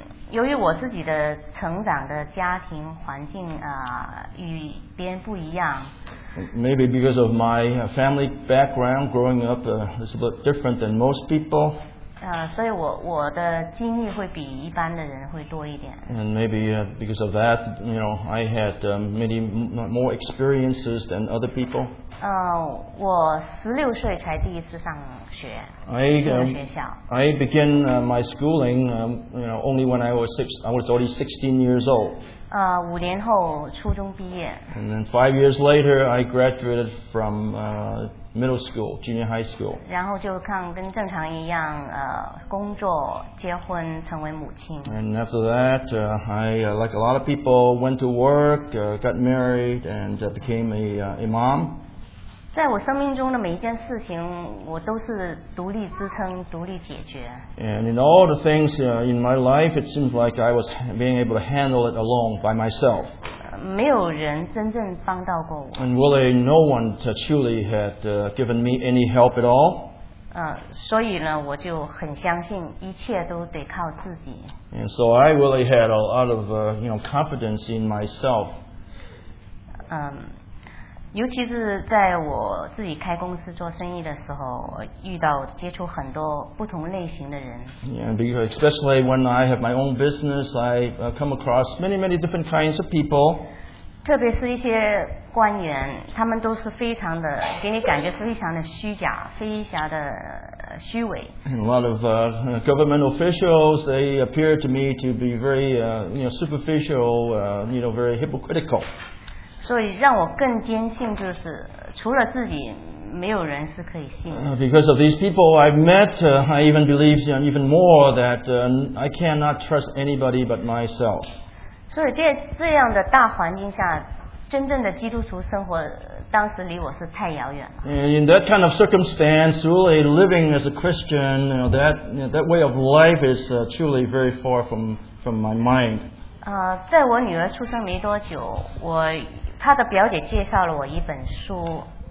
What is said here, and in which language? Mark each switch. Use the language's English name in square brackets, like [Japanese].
[Chinese] 由于我自己的成长的家庭环境与别人不一样。 [English] Maybe because of my family background, growing up is a bit different than most people. [Chinese] 所以我的经历会比一般的人会多一点。 [English] And maybe because of that, you know, I had many more experiences than other people. [Chinese] 我16岁才第一次上学。 [English] I began my schooling, you know, only when I was already 16 years old. [Chinese] 五年后初中毕业。 [English] And then 5 years later, I graduated from middle school, junior high school. [Chinese] 然后就跟正常一样，工作、结婚、成为母亲。 [English] And after that, I like a lot of people went to work, got married, and became a mom. [Chinese] 在我生命中的每一件事情，我都是独立支撑、独立解决。 [English] And in all the things in my life, it seems like I was being able to handle it alone by myself. [Chinese] 没有人真正帮到过我。 [English] And really, no one truly had given me any help at all. [Chinese] 所以呢，我就很相信一切都得靠自己。 [English] And so I really had a lot of confidence in myself. [Chinese] 尤其是在我自己开公司做生意的时候，遇到接触很多不同类型的人。 [English] Yeah, because especially when I have my own business, I come across many, many different kinds of people. [Chinese] 特别是一些官员，他们都是非常的，给你感觉非常的虚假，非常的虚伪。 [English] And a lot of government officials, they appear to me to be very superficial, very hypocritical. [Chinese] 所以让我更坚信，就是除了自己，没有人是可以信。 [English] Because of these people I've met, I even believe even more that I cannot trust anybody but myself. [Chinese] 所以在这样的大环境下，真正的基督徒生活当时离我是太遥远了。 [English] In that kind of circumstance, really living as a Christian, that way of life is truly very far from my mind. [Chinese] 在我女儿出生没多久，我她的表姐介绍了我一本书。